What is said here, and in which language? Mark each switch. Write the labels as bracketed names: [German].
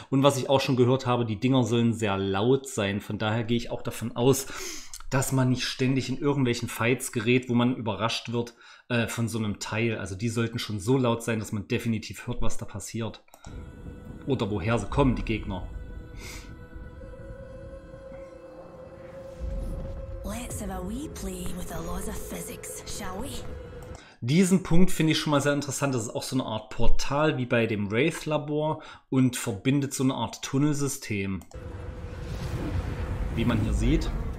[German] Und was ich auch schon gehört habe, die Dinger sollen sehr laut sein. Von daher gehe ich auch davon aus, dass man nicht ständig in irgendwelchen Fights gerät, wo man überrascht wird von so einem Teil. Also die sollten schon so laut sein, dass man definitiv hört, was da passiert. Oder woher sie kommen, die Gegner. [English] Let's have a wee play with the laws of physics, shall we? [German] Diesen Punkt finde ich schon mal sehr interessant. Das ist auch so eine Art Portal wie bei dem Wraith-Labor und verbindet so eine Art Tunnelsystem. Wie man hier sieht.